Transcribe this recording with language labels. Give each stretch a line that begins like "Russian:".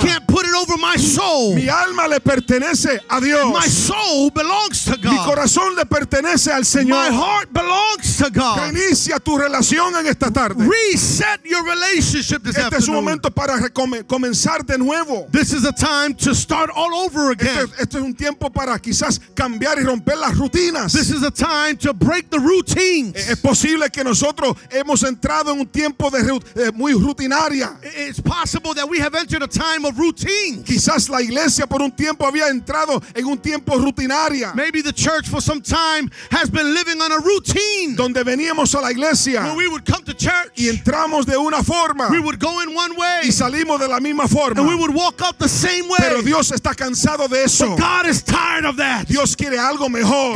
English: They can't put it over my soul.
Spanish: Mi alma le pertenece a Dios.
English: My soul belongs to God.
Spanish: Mi corazón le pertenece al Señor.
English: My heart belongs to God.
Spanish: Reinicia tu relación en esta tarde.
English: Reset your relationship this afternoon.
Spanish: Este es un momento para comenzar de nuevo.
English: This is a time to start all over again.
Spanish: Este es un tiempo para quizás cambiar y romper las rutinas.
English: This is a time to break the routine.
Spanish: Es posible que nosotros hemos entrado en un tiempo de muy rutinaria.
English: It's possible that we have entered a time of routine.
Spanish: Quizás la iglesia por un tiempo había entrado en un tiempo rutinaria.
English: Maybe the church for some time has been living on a routine.
Spanish: Donde veníamos a la iglesia.
English: When we would come to church.
Spanish: Y entramos de una forma.
English: We would go in one way.
Spanish: Y salimos de la misma forma.
English: And we would walk out the same way.
Spanish: Pero Dios está cansado de eso.
English: But God is tired of that.
Spanish: Dios quiere algo mejor.